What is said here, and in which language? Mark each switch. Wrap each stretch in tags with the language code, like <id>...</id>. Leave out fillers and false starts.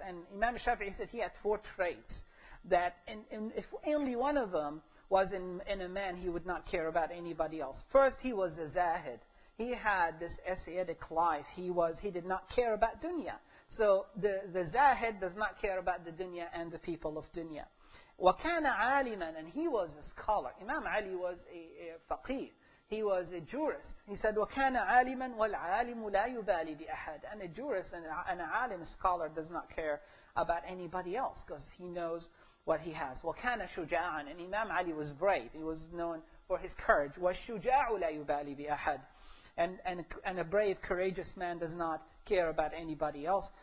<en>And Imam Shafi'i said he had four traits that if only one of them was in a man, he would not care about anybody else. First, he was a zahid. He had this ascetic life. He did not care about dunya. So the zahid does not care about the dunya and the people of dunya.</en> <ar>وَكَانَ عَالِمًا,</ar> <en>and he was a scholar. Imam Ali was a faqih. He was a jurist. He said,</en> <ar>وَكَانَ عَالِمًا وَالْعَالِمُ لَا يُبَالِي بِأَحَدٍ.</ar> <en>And a jurist and an alim scholar does not care about anybody else because he knows what he has.</en> <ar>وَكَانَ شُجَاعًا,</ar> <en>and Imam Ali was brave. He was known for his courage.</en> <ar>وَالشُجَاعُ لَا يُبَالِي بِأَحَدٍ.</ar> <en>And a brave, courageous man does not care about anybody else.</en>